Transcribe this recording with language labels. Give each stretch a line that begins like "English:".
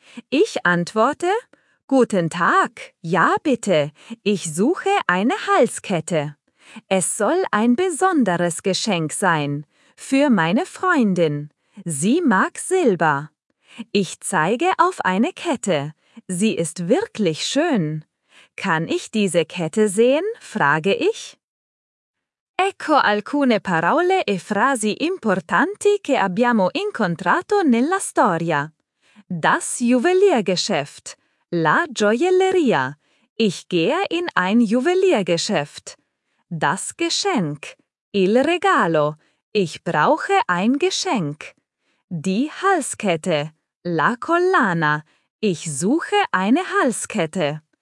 German: Ich antworte: "Guten Tag, ja bitte, ich suche eine Halskette. Es soll ein besonderes Geschenk sein, für meine Freundin. Sie mag Silber. Ich zeige auf eine Kette. Sie ist wirklich schön. Kann ich diese Kette sehen?" frage ich.
Italian: Ecco alcune parole e frasi importanti che abbiamo incontrato nella storia.
German: Das Juweliergeschäft.
Italian: La gioielleria.
German: Ich gehe in ein Juweliergeschäft. Das Geschenk.
Italian: Il regalo.
German: Ich brauche ein Geschenk. Die Halskette.
Italian: La collana.
German: Ich suche eine Halskette.